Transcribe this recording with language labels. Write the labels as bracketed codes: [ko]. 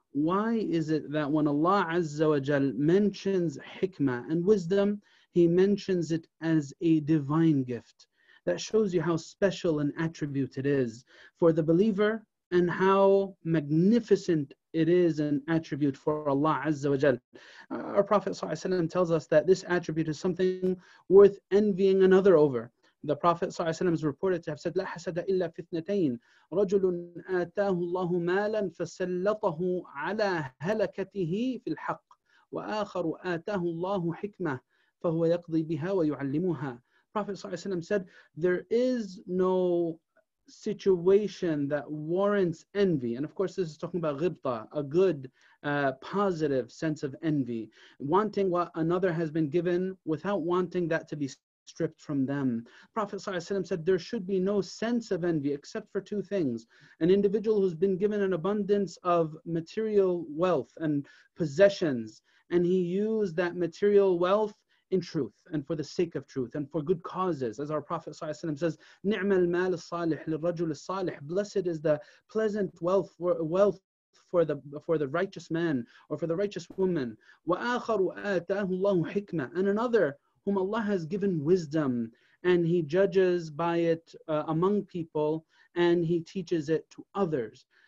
[en] Why is it that when Allah Azza wa Jal mentions hikmah and wisdom, He mentions it as a divine gift? That shows you how special an attribute it is for the believer and how magnificent it is an attribute for Allah Azza wa Jal. Our Prophet Sallallahu Alaihi Wasallam tells us that this attribute is something worth envying another over. The Prophet ﷺ is reported to have said, [ar] لا حسد إلا في اثنتين رجل آتاه الله مالا فسلطه على هلكته في الحق وآخر آتاه الله حكمة فهو يقضي بها ويعلمها. [en] Prophet ﷺ said, there is no situation that warrants envy. And of course, this is talking about ghibta, a good, positive sense of envy. Wanting what another has been given without wanting that to be stripped from them. Prophet ﷺ said there should be no sense of envy except for two things. An individual who's been given an abundance of material wealth and possessions, and he used that material wealth in truth and for the sake of truth and for good causes. As our Prophet ﷺ says, [ar] نِعْمَ الْمَالِ الصَّالِحِ لِلرَّجُلِ الصَّالِحِ. [en] Blessed is the pleasant wealth for the righteous man or for the righteous woman. [ar] وَآخَرُ آتَاهُ اللَّهُ حِكْمَةً. [en] And another whom Allah has given wisdom, and He judges by it among people, and He teaches it to others.